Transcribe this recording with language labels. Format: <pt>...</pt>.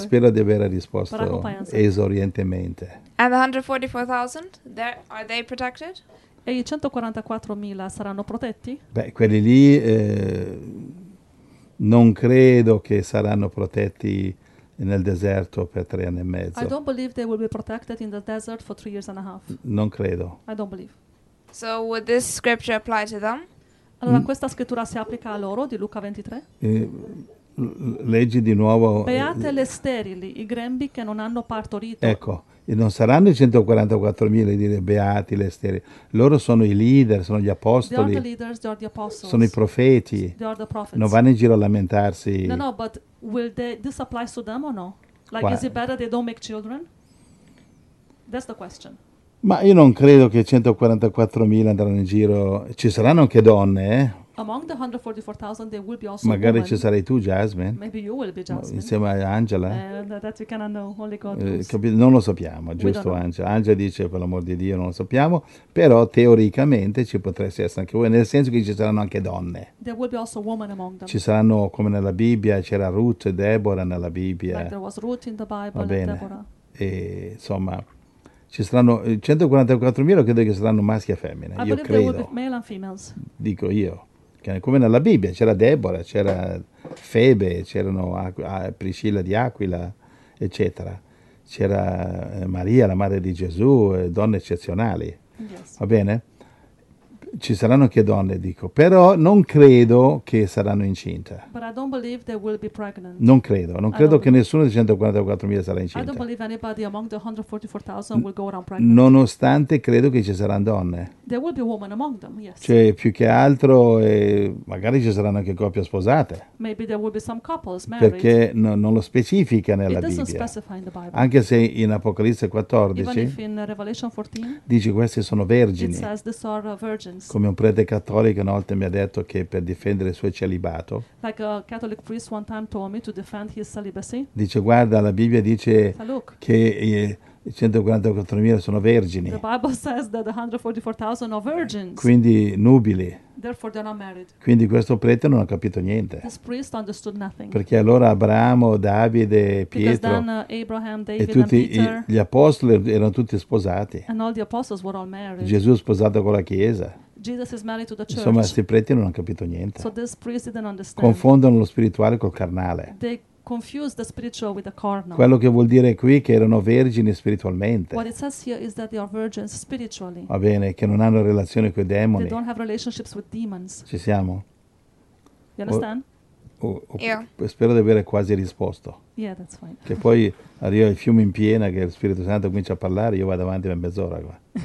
<it>spero di aver risposto esorientemente.</it> <en>And the 144,000, there are they protected?</en> <it>E i 144,000 saranno protetti? Beh, quelli lì non credo che saranno protetti nel deserto per 3 anni e mezzo.</it> <en>I don't believe they will be protected in the desert for 3 years and a half.</en> <it>Non credo.</it> <en>I don't believe. So would this scripture apply to them?</en> <it>Allora questa scrittura si applica a loro di Luca 23? Leggi di nuovo. Beate le sterili, i grembi che non hanno partorito. Ecco. E non saranno i 144,000 a dire beati le stelle. Loro sono i leader, sono gli apostoli.</it> <en>They are the leaders, they are the apostles.</en> <it>Sono i profeti.</it> <en>They are the prophets.</en> <it>Non vanno in giro a lamentarsi.</it> <en>No, no, but will this apply to them or no? Like, qua, is it better they don't make children? That's the question.</en> <it>Ma io non credo che 144,000 andranno in giro. Ci saranno anche donne,</it> <en>Among the 144,000, there will be also</en> <it>magari</it> <en>women.</en> <it>Ci sarai tu, Jasmine.</it> <en>Maybe you will be Jasmine.</en> <it>Insieme a Angela.</it> <en>That we cannot know. Only God knows.</en> <it>Non lo sappiamo, giusto Angela? Angela dice, per l'amor di Dio, non lo sappiamo. Però teoricamente ci potresti essere anche voi, nel senso che ci saranno anche donne.</it> <en>There will be also women among them.</en> <it>Ci saranno, come nella Bibbia, c'era Ruth e Deborah nella Bibbia.</it> <en>Like there was Ruth in the Bible.</en> <it>Va bene.</it> <en>And Deborah.</en> <it>E insomma, ci saranno 144,000, credo che saranno maschi e femmine.</it> <en>I</en> <it>io credo.</it> <en>There will be male and females.</en> <it>Dico io. Come nella Bibbia, c'era Deborah, c'era Febe, c'erano Priscilla di Aquila, eccetera. C'era Maria, la madre di Gesù, donne eccezionali.</it> <en>Yes.</en> <it>Va bene? Ci saranno anche donne, dico, però non credo che saranno incinta.</it> <en>But I don't believe they will be pregnant.</en> <it>Non credo, non credo che nessuno dei 144.000 sarà incinta.</it> <en>I don't believe anybody among the 144.000 will go around pregnant.</en> <it>Nonostante credo che ci saranno donne.</it> <en>There will be women among them, yes.</en> <it>Cioè, più che altro, magari ci saranno anche coppie sposate.</it> <en>Maybe there will be some couples married.</en> <it>Perché non lo specifica nella Bibbia.</it> <en>It doesn't specify in the Bible.</en> <it>Anche se in Apocalisse 14,</it> <en>even if in Revelation 14</en> <it>dice queste sono vergini.</it> <en>It says these are virgins.</en> <it>Come un prete cattolico una volta mi ha detto che per difendere il suo celibato,</it> <en>like a Catholic priest one time told me to defend his celibacy,</en> <it>dice guarda la Bibbia dice che i 144.000 sono vergini,</it> <en>the Bible says that 144.000 are virgins,</en> <it>quindi nubili,</it> <en>therefore they're not married.</en> <it>Quindi questo prete non ha capito niente,</it> <en>this priest understood nothing,</en> <it>perché allora Abramo, Davide, Pietro,</it> <en>because then, Abraham, David,</en> <it>e tutti</it> <en>and Peter,</en> <it>gli apostoli erano tutti sposati,</it> <en>and all the apostles were all married.</en> <it>Gesù è sposato con la Chiesa.</it> <en>Jesus is married to the church.</en> <it>Insomma, questi preti non hanno capito niente.</it> <en>So this priest didn't understand.</en> <it>Confondono lo spirituale col carnale.</it> <en>They confuse the spiritual with the carnal.</en> <it>Quello che vuol dire qui è che erano vergini spiritualmente.</it> <en>What it says here is that they are virgins spiritually.</en> <it>Va bene, che non hanno relazione con i demoni.</it> <en>They don't have relationships with demons.</en> <it>Ci siamo?</it> <en>You understand?</en> <it>Spero di avere quasi risposto.</it> <en>Yeah, that's fine.</en> <it>Che poi arriva il fiume in piena, che lo Spirito Santo comincia a parlare, io vado avanti per mezz'ora qua.</it>